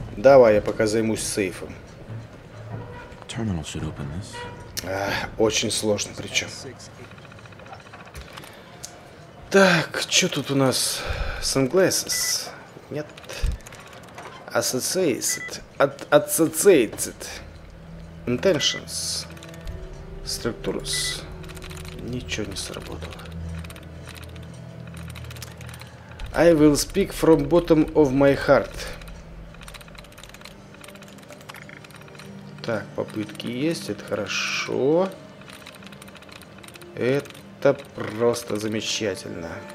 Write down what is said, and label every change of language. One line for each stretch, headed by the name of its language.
Russian: Давай, я пока займусь сейфом.
English: Terminal should open this.
Russian: Очень сложно, причем. Так, что тут у нас? Sunglasses? Нет.
English: Associated. Intentions. Structures.
Russian: Ничего не сработало.
English: I will speak from bottom of my heart.
Russian: Так, попытки есть, это хорошо. Это просто замечательно.